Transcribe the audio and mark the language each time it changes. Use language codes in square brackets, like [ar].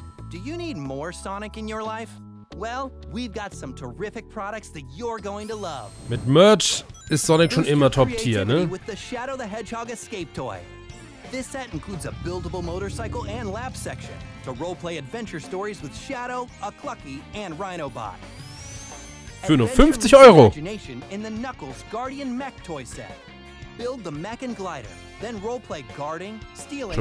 [en] Do you need more Sonic in your life? Well, we've got some terrific products that you're going to love. [de] Mit merch ist Sonic schon immer top tier, ne? [en] With the Shadow the Hedgehog escape toy. This set includes a buildable motorcycle and lap section to role-play adventure stories with Shadow, a Clucky, and Rhinobot. [de] Für nur 50 Euro. [en] Imagination in the Knuckles Guardian Mech toy set. Build the mech and glider, then role-play guarding, stealing.